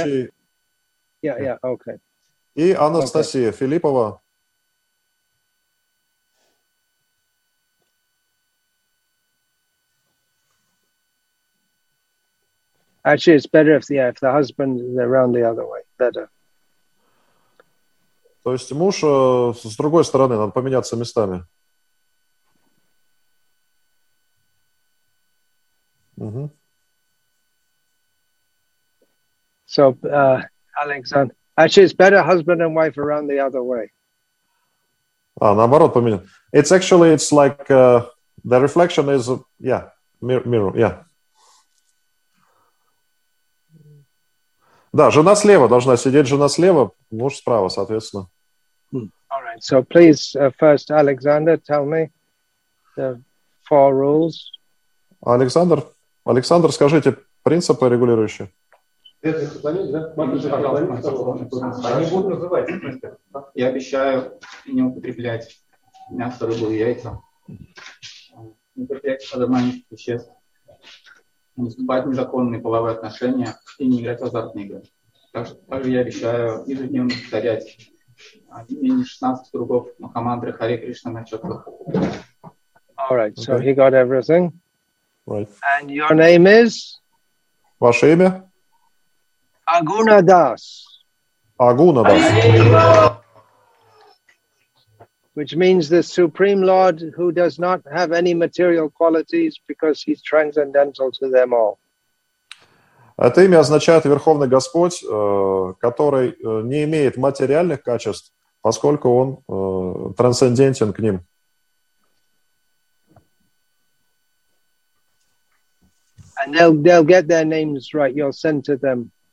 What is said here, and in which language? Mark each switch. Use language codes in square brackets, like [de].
[en] A minute. Yeah, yeah, okay. [ru] И Анастасия [en] okay. [ru] Филиппова. [en] Actually, it's better if the husband is around the other way. Better. [ru] То есть муж с другой стороны, надо поменяться местами. Mm-hmm. [en] So, Alexander, actually, it's better husband and wife around the other way. [ru] Ah, наоборот, поменял. [en] It's actually, it's like the reflection is, yeah, mirror, yeah. [ru] Да, жена слева должна сидеть, жена слева, муж справа, соответственно. [en] All right. So, please, first, Alexander, tell me the four rules. Alexander. [ru] Александр, скажите, принципы регулирующие? Они будут называть. Я обещаю не употреблять мясо, рыбу и яйца. Не употреблять подобных веществ. Не вступать в незаконные половые отношения и не играть в азартные игры. Также я обещаю ежедневно повторять менее 16 кругов Махамантры Харе Кришна на четках. [en] All right, so he got everything. Right. And your name is? [ru] Ваше имя? [en] Aguna Das. Aguna Das. Which means the Supreme Lord who does not have any material qualities because he's transcendental to them all. [ru] Это имя означает Верховный Господь, который не имеет материальных качеств, поскольку он трансцендентен к ним. [en] And they'll get their names right. You'll send to them.